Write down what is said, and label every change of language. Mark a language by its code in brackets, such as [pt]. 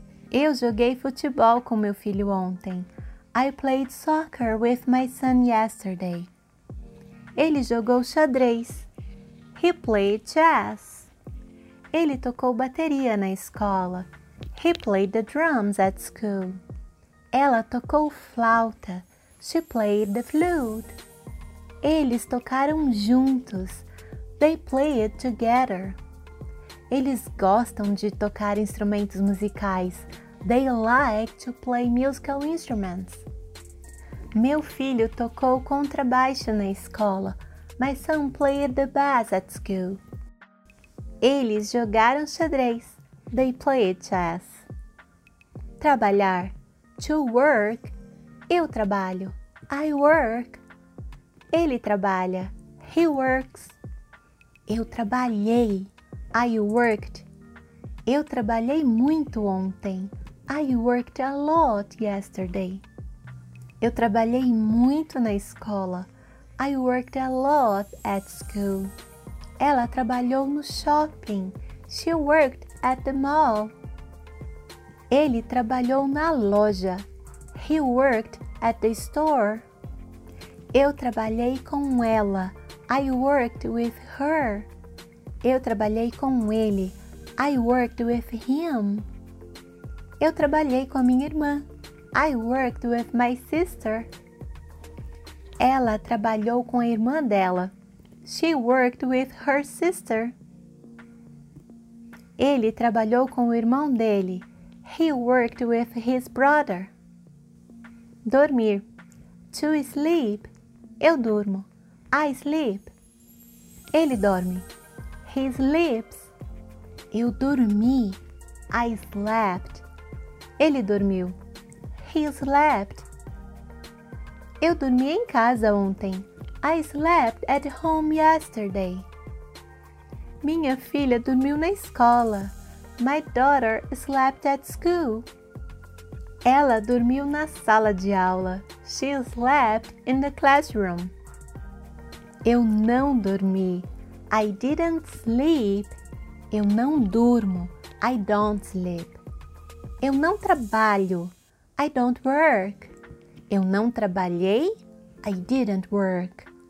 [pt] Eu joguei futebol com meu filho ontem. [en] I played soccer with my son yesterday. [pt] Ele jogou xadrez. [en] He played chess. [pt] Ele tocou bateria na escola. [en] He played the drums at school. [pt] Ela tocou flauta. [en] She played the flute. [pt] Eles tocaram juntos. [en] They played together. [pt] Eles gostam de tocar instrumentos musicais. [en] They like to play musical instruments. [pt] Meu filho tocou contrabaixo na escola. [en] My son played the bass at school. [pt] Eles jogaram xadrez. [en] They played chess. Trabalhar. To work. [pt] Eu trabalho. [en] I work. [pt] Ele trabalha. [en] He works. [pt] Eu trabalhei. [en] I worked. [pt] Eu trabalhei muito ontem. [en] I worked a lot yesterday. [pt] Eu trabalhei muito na escola. [en] I worked a lot at school. [pt] Ela trabalhou no shopping. [en] She worked at the mall. [pt] Ele trabalhou na loja. [en] He worked at the store. [pt] Eu trabalhei com ela. [en] I worked with her. [pt] Eu trabalhei com ele. [en] I worked with him. [pt] Eu trabalhei com a minha irmã. [en] I worked with my sister. [pt] Ela trabalhou com a irmã dela. [en] She worked with her sister. [pt] Ele trabalhou com o irmão dele. [en] He worked with his brother. Dormir. To sleep. [pt] Eu durmo. [en] I sleep. [pt] Ele dorme. [en] He sleeps. [pt] Eu dormi. [en] I slept. [pt] Ele dormiu. [en] He slept. [pt] Eu dormi em casa ontem. [en] I slept at home yesterday. [pt] Minha filha dormiu na escola. [en] My daughter slept at school. [pt] Ela dormiu na sala de aula. [en] She slept in the classroom. [pt] Eu não dormi. [en] I didn't sleep. [pt] Eu não durmo. [en] I don't sleep. [pt] Eu não trabalho. [en] I don't work. [pt] Eu não trabalhei. [en] I didn't work.